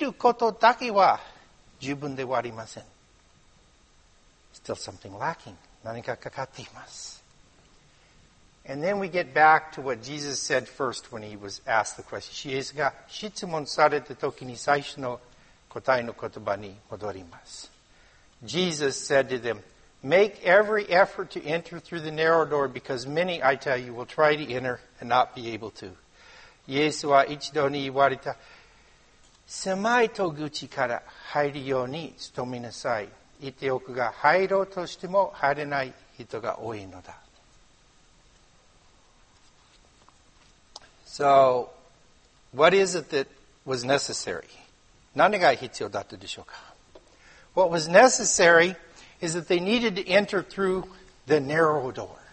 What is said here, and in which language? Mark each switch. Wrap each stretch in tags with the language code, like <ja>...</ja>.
<ja>それでもう神の言葉が語られたところ、イエスがお語りになるところ、また一緒に食べたり飲んだり、そこにいることだけは十分ではありません。</ja> <en>Still something lacking.</en> <ja>何かかかっています。</ja> <en>And then we get back to what Jesus said first when he was asked the question.</en> <ja>イエスが質問された時に最初の答えの言葉に戻ります。</ja> <en>Jesus said to them, make every effort to enter through the narrow door because many, I tell you, will try to enter and not be able to.</en> <ja>イエスは一度に言われた、狭い戸口から入るように努めなさい。言っておくが、入ろうとしても入れない人が多いのだ。</ja> <en>So, what is it that was necessary?</en> <ja>何が必要だったでしょうか?</ja> <en>What was necessary is that they needed to enter through the narrow door.</en>